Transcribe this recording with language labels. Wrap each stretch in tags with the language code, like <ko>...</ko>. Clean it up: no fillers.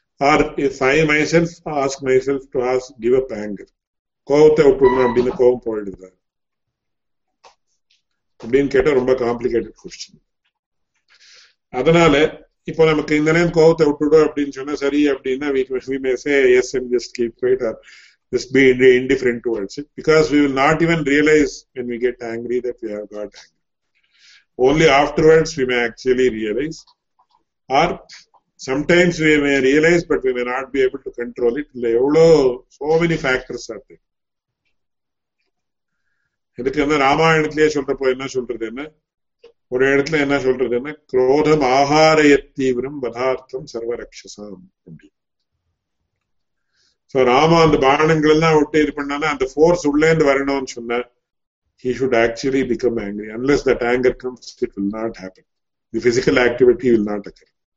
<en>or if I myself ask myself to ask give up anger,</en> <ta>கோபத்தை விட்டுடணும் அப்படின்னு கோபம் போயிடுதா அப்படின்னு கேட்டா ரொம்ப காம்ப்ளிகேட்டட் க்வெஸ்சன். அதனால இப்போ நமக்கு இந்த நேரம் கோபத்தை விட்டுடும் அப்படின்னு சொன்னா சரி அப்படின்னா</ta> <en>we may say yes and just keep quiet or just be indifferent towards it, because we will not even realize when we get angry that we have got angry. Only afterwards we may actually realize, or sometimes we may realize but we may not be able to control it. So many factors are there.</en> <ta>எதுக்குன்னா ராமாயணத்திலேயே சொல்றப்போ என்ன சொல்றது, என்ன ஒரு இடத்துல என்ன சொல்றதுன்னா</ta> <sa>குரோதம் ஆகாரய தீவிரம் பதார்த்தம் சர்வரக்ஷசம்</sa> <ta>அப்படின்னு. சோ ராம அந்த பாணங்கள் எல்லாம் விட்டு இது பண்ணானே அந்த ஃபோர்ஸ் உள்ளே இருந்து வரணும்னு சொன்னா</ta> <en>He should actually become angry, unless that anger comes it will not happen, the physical activity will not occur.</en>